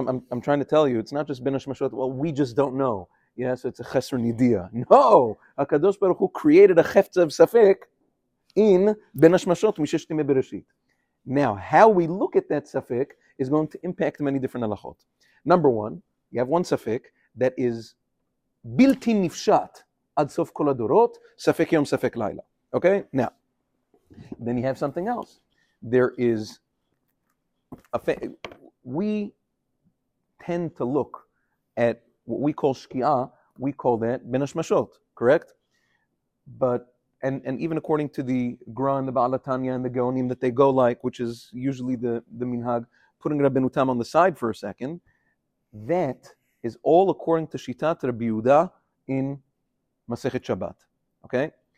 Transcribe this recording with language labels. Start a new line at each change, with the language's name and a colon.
English: I'm trying to tell you, it's not just Ben Hashmashot, well, we just don't know. Yeah, so it's a Chesr Nidia. No! HaKadosh Baruch Hu created a Cheftza of Safek in Ben Hashmashot, Mishesh Timei Bereshit. Now, how we look at that Safek is going to impact many different halachot. Number one, you have one Safek that is
Hebrew: בלתי נפשט עד סוף כל הדורות, ספק יום, ספק לילה.
English: Okay? Now, then you have something else. There is a we tend to look at what we call shkia, we call that ben hashmashot, correct? But and even according to the Gra and the Ba'al HaTanya and the Gaonim that they go like, which is usually the minhag, putting Rabbeinu Tam on the side for a second, that is all according to Shitat Rabbi Yehuda in Masechet Shabbat. Okay?